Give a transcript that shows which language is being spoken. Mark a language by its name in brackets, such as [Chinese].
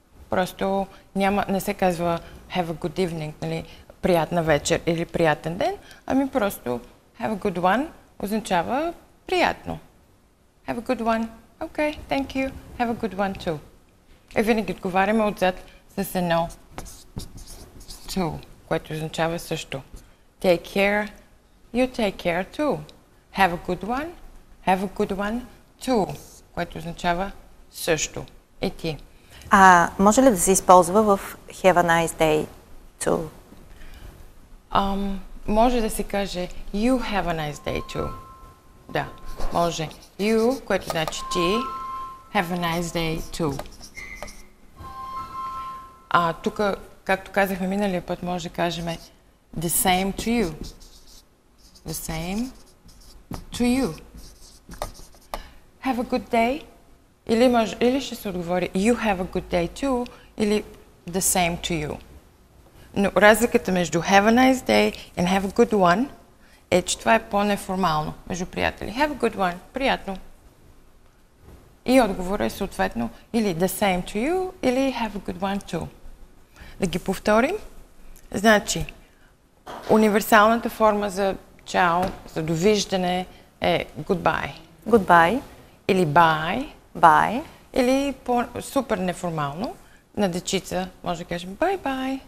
[Bulgarian] Просто няма, не се казва [English] have a good evening, [Bulgarian] нали, приятна вечер или приятен ден, ами просто [English] have a good one [Bulgarian] означава приятно. [English] Have a good one. Okay, thank you. Have a good one too. [Bulgarian] И винаги отговаряме отзад с едно too, което означава също. [English] Take care. You take care too. Have a good one. Have a good one too, [Bulgarian] което означава също. И ти. А може ли да се използва в [English] have a nice day too? [Bulgarian] Може да се каже [English] you have a nice day too. [Bulgarian] Да, може. [English] You, [Bulgarian] което значи ти, [English] have a nice day too. [Bulgarian] А тук, както казахме миналия път, може да кажем [English] the same to you. The same to you. Have a good day. [Bulgarian] Или, може, или ще се отговори [English] you have a good day too, [Bulgarian] или [English] the same to you. [Bulgarian] Но разликата между [English] have a nice day and have a good one [Bulgarian] е, че това е по-неформално между приятели. [English] Have a good one. [Bulgarian] Приятно. [English] И отговорът е съответно или the same to you, или have a good one too. [Bulgarian] Да ги повторим. Значи, универсалната форма за чао, за довиждане е goodbye. [English] Goodbye. [Bulgarian] Или bye. [English] Bye. [Bulgarian] Или по-супер неформално на дечица може да кажем bye-bye.